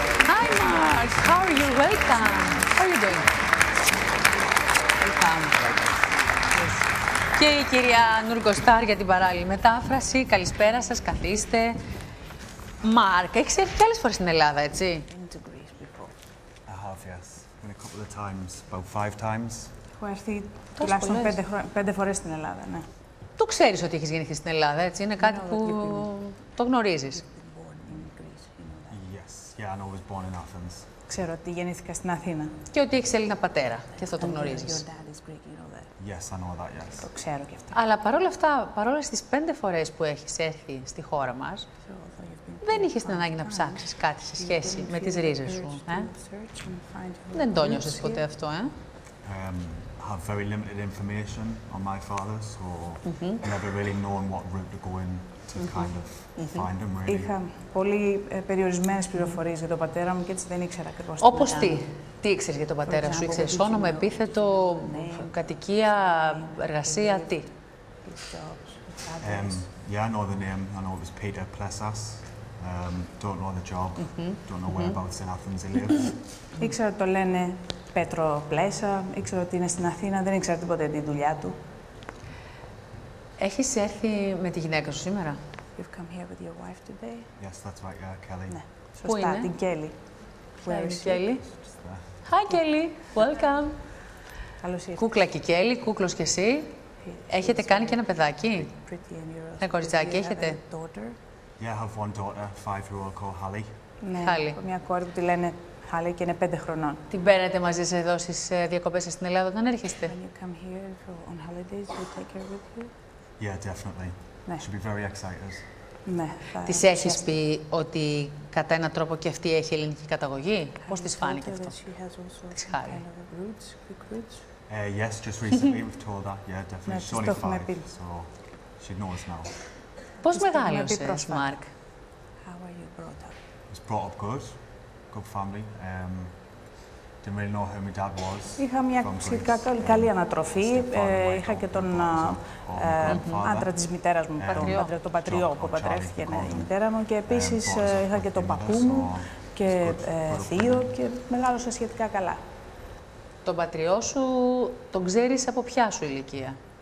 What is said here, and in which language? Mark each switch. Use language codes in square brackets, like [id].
[en] Hi Mark, how are you? Welcome. How are you doing? [el] Και η κυρία Νουργκοστάρ για την παράλληλη μετάφραση. Καλησπέρα σας, καθίστε. Μάρκ, έχεις έρθει και άλλες φορές στην Ελλάδα, έτσι? [en] I have, yes. A couple of times, about five times. [el] Έχω έρθει τουλάχιστον πέντε φορές στην Ελλάδα, ναι. Το ξέρεις ότι έχεις γεννηθεί στην Ελλάδα, έτσι? Είναι κάτι που το γνωρίζεις. [en] Yes. Yeah, and I was born in Athens. [el] Ξέρω ότι γεννήθηκα στην Αθήνα. Και ότι έχεις Έλληνα πατέρα, και αυτό το γνωρίζεις. [en] Your dad is Greek, you know that. Yes, I know that, yes. [el] Το ξέρω και αυτό. Αλλά παρόλα αυτά, παρόλα στις πέντε φορές που έχεις έρθει στη χώρα μας, δεν είχες την ανάγκη να ψάξεις κάτι σε σχέση με τις ρίζες σου, ε? Δεν το νιώσες ποτέ αυτό, ε? [en] Have very limited information on my father, so never really known what route to go in to kind of find him, really. [el] Είχα πολύ περιορισμένες πληροφορίες για τον πατέρα μου και έτσι δεν ήξερα ακριβώς. Όπως τι? Τι ήξερες για τον πατέρα σου? Ήξερες όνομα, επίθετο, κατοικία, εργασία, τι? [en] Yeah, I know the name. I know it was Peter Plessas. Don't know the job. Don't know whereabouts in Athens he lives. [el] Ήξερα ότι το λένε Πέτρο Πλέσα, ήξερα ότι είναι στην Αθήνα, δεν ήξερα τίποτα για τη δουλειά του. Έχεις έρθει με τη γυναίκα σου σήμερα? [en] You've come here with your wife today. Yes, that's right, yeah, Kelly. [el] Ναι. Πού είναι? Την Kelly. Πού είναι η Kelly? [en] Hi, Kelly. Welcome. [el] Καλώς ήρθες. Κούκλα και η Kelly, κούκλος και εσύ. Έχετε κάνει και ένα παιδάκι? Ένα κοριτσάκι έχετε? [en] Yeah, I have one daughter, 5-year-old called Hallie. [el] Ναι, Hallie. Μια κόρη που τη λένε Hallie και είναι 5 χρονών. Την παίρνετε μαζί σας εδώ στις διακοπές σας στην Ελλάδα όταν έρχεστε? [en] When you come here for on holidays, you take her with you? Yeah, definitely. [el] Ναι. [en] She'll be very excited. [el] Ναι. Της έχεις πει ότι κατά έναν τρόπο και αυτή έχει ελληνική καταγωγή? Πώς της φάνηκε αυτό? Της Hallie. [en] Yes, just recently we've told her. Yeah, definitely. She's only 5, so she knows now. [el] Πώς μεγάλωσες, Μάρκ? [en] How were you brought up? I was brought up good. Good family. Didn't really know who my dad was. [el] Είχα μια σχετικά καλή ανατροφή. Είχα και τον άντρα της μητέρας μου, τον πατριό που πατρέφθηκε η μητέρα μου. Και επίσης είχα και τον παππού μου και θείο και μεγάλωσα σχετικά καλά. Τον πατριό σου τον ξέρεις από ποια σου ηλικία?